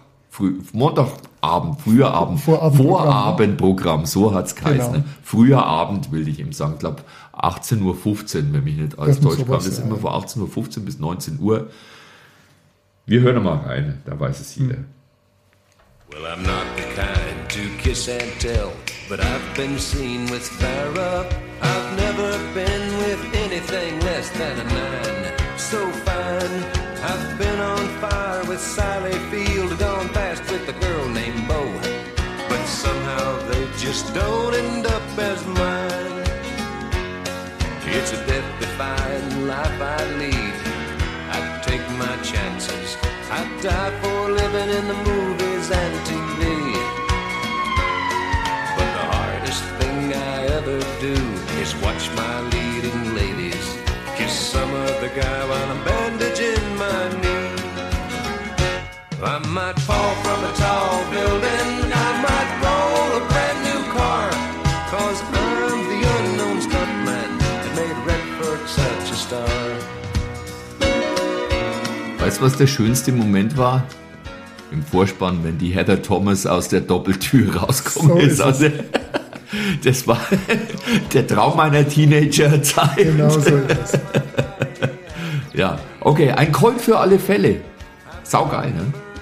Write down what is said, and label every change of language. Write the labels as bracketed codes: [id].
[de] Vorabendprogramm, so hat es geheißen. Genau. Früher Abend, will ich eben sagen, glaube 18.15 Uhr, wenn mich nicht alles täuscht. Das ist immer von 18.15 Uhr bis 19 Uhr. Wir hören mal rein, da weiß es jeder. [en] Well, I'm not the kind to kiss and tell, but I've been seen with Farrah. I've never been with anything less than a man so fine. I've been on fire with Sally Field, gone fast with a girl named Bo. But somehow they just don't end up as mine. It's a death-defying life I lead. I take my chances. I die for a living in the movies and TV. But the hardest thing I ever do is watch my leading ladies kiss some other guy while I'm bandaging my knee. I might fall from a tall building, I might roll a brand new car, 'cause I'm the unknown stuntman that made Redford such a star. [de] Weißt du, was der schönste Moment war? Im Vorspann, wenn die Heather Thomas aus der Doppeltür rauskommt. So ist also, es. Das war der Traum meiner Teenager-Zeit. Genau so ist es. Ja, okay, ein Call für alle Fälle. Saugeil, ne?